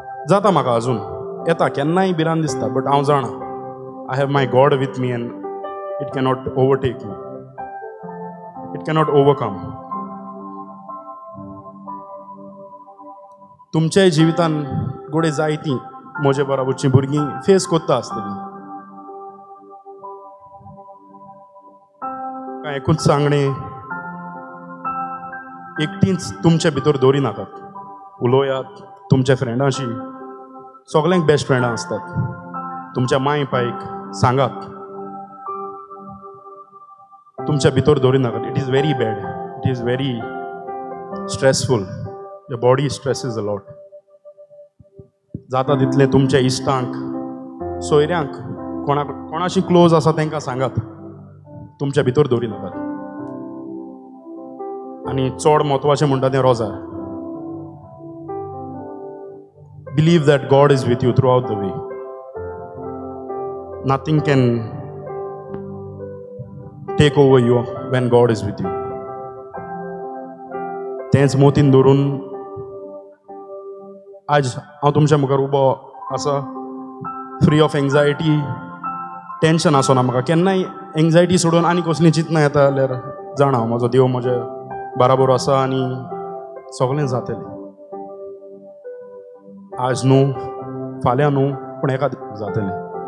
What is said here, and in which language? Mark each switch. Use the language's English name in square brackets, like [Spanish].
[Goan Konkani] जाता म्हाका अजून, येता केन्नाय भिरांत दिसता, [English] But हांव जाणा I have my God with me and it cannot overtake me, it cannot overcome. [Goan Konkani] तुमच्याय जिवितांत घडये जायतीं म्हजे बराबरचीं भुरगीं फेस कोत्ता आसतलीं. एकूच सांगणे, एकटींच तुमच्या भितर दवरिनाकात, उलोयात तुमच्या फ्रेंडांशी. सगळ्यांक [English] best फ्रेंडां [Goan Konkani] आसतात, तुमच्या माय पायक सांगात, तुमच्या भितर दवरिनाकात. [English] It is very bad, it is very stressful, the body stress is a lot. [Goan Konkani] जाता तितलें तुमच्या इश्टांक, सोयऱ्यांक, कोणाक कोणाशी क्लोज आसा तांकां सांगात, तुमच्या भितर दवरिनाकात. आनी चड म्हत्वाचें म्हणटा तें रोजार, [English] Believe that God is with you throughout the way. Nothing can take over you when God is with you. [Goan Konkani] तेंच मोतीन धरून आज हांव तुमच्या मुखार उबो आसा, [English] Free of anxiety. [Goan Konkani] टेंशन आसो ना म्हाका, केन्नाय एंग्जायटी सोडून आनी कसली चिंतना येता जाल्यार जाणा हांव, म्हजो देव म्हजे बराबर आसा आनी सगळें जातलें. आज न्हू, फाल्यां न्हू, पूण एका जातलें.